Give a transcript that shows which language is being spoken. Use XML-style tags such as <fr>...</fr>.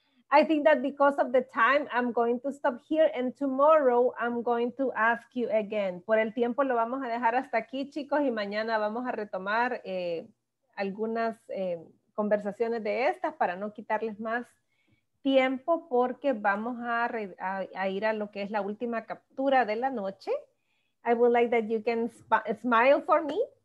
<en>I think that because of the time, I'm going to stop here, and tomorrow I'm going to ask you again.</en> <es>Por el tiempo lo vamos a dejar hasta aquí, chicos, y mañana vamos a retomar algunas conversaciones de estas para no quitarles más tiempo, porque vamos a ir a lo que es la última captura de la noche.</es> <en>I would like that you can smile for me.</en>